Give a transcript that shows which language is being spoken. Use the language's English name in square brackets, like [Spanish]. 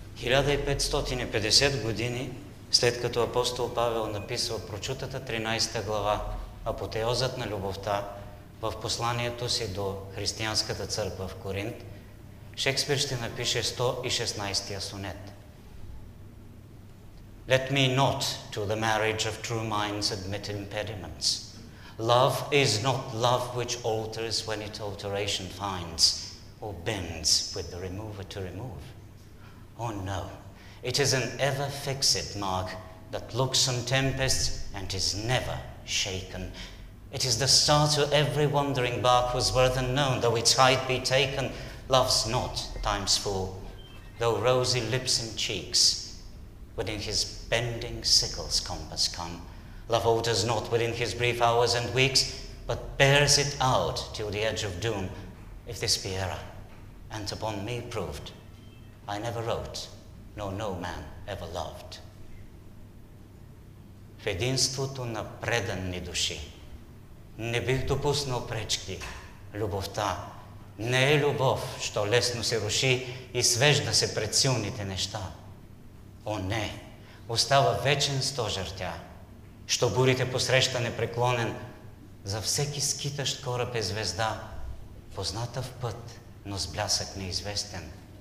[Bulgarian] Да и 550 години, след като апостол Павел написал прочутата 13 глава Апотеозът на любовта в посланието си до християнската църква в Коринт, Шекспир ще напише 116-я сонет. [English] Let me not to the marriage of true minds admit impediments. Love is not love which alters when it alteration finds or bends with the remover to remove. Oh no, it is an ever-fixed mark that looks on tempests and is never shaken. It is the star to every wandering bark whose worth unknown, though its height be taken, loves not time's fool. though rosy lips and cheeks, within his bending sickle's compass come. Love alters not within his brief hours and weeks, but bears it out till the edge of doom. If this be error, and upon me proved, I never wrote, nor no man ever loved. [Bulgarian] В единството на преданни души не бих допуснал пречки. Любовта не е любов, що лесно се руши и свежда се пред силните неща. О, не, остава вечен стожер тя, що бурите посреща непреклонен, за всеки скитащ кораб е звезда, позната в път, но с блясък неизвестен.